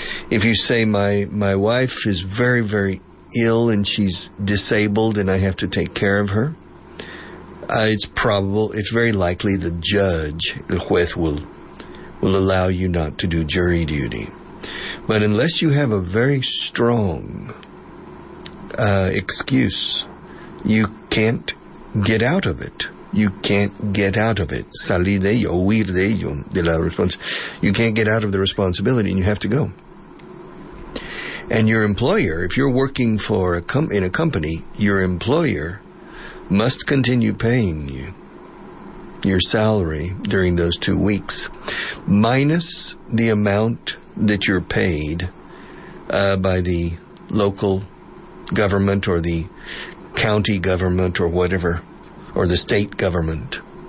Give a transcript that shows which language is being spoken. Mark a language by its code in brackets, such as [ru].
[en] If you say my wife is very, very ill and she's disabled and I have to take care of her, it's very likely the judge, [es] el juez, [en] will allow you not to do jury duty. But unless you have a very strong excuse, you can't get out of it. You can't get out of it. [es] Salir de ello, huir de ello, de la responsabilidad. [en] You can't get out of the responsibility and you have to go. And your employer, if you're working for a company, your employer must continue paying you your salary during those 2 weeks, minus the amount that you're paid by the local government or the county government or whatever, or the state government.